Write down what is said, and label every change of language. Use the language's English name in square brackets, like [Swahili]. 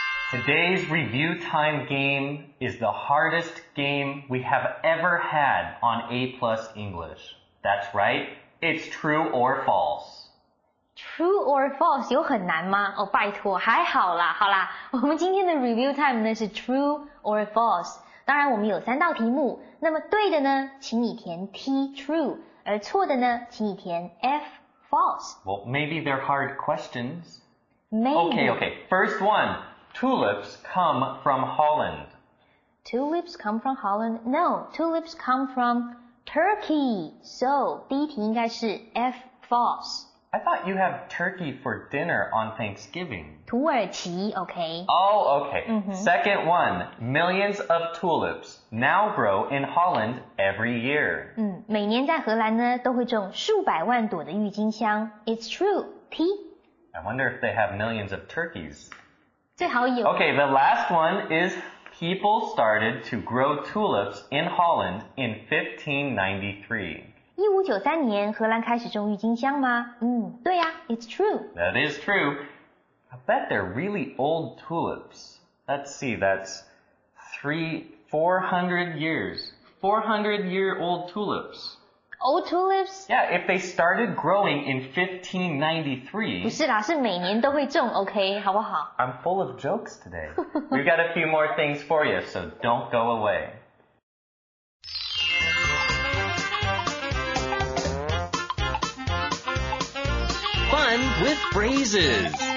[English] Today's review time game is the hardest game we have ever had on A-plus English. That's right, it's true or false. True or false, [Chinese] 有很难吗？哦，拜托，还好啦，好啦，我们今天的 [English] review time [Chinese] 呢是 [English] true or false。 [Chinese] 当然我们有三道题目，那么对的呢，请你填 T, true, 而错的呢，请你填 F,False. [English] Well, maybe they're hard questions. Maybe. Okay. First one. Tulips come from Holland. Tulips come from Holland? No. Tulips come from Turkey. [Chinese] So, 第一题应该是 F false. [English] I thought you have turkey for dinner on Thanksgiving. [Chinese] 土耳其 okay. [English] Oh, okay.、Mm-hmm. Second one. Millions of tulips now grow in Holland every year. [Chinese] 每年在荷兰呢都会种数百万朵的郁金香 [English] It's true. T. I wonder if they have millions of turkeys. [Chinese] 最好有 [English] Okay, the last one is people started to grow tulips in Holland in 1593. [Chinese] 1593年荷兰开始种郁金香吗对呀 [English] it's true. That is true. I bet they're really old tulips. Let's see, that's 400 years. 400 year old tulips. Old tulips? Yeah, if they started growing in 1593. [Chinese] 不是啦是每年都会种 OK, 好不好 [English] I'm full of jokes today. We've got a few more things for you, so don't go away. With phrases.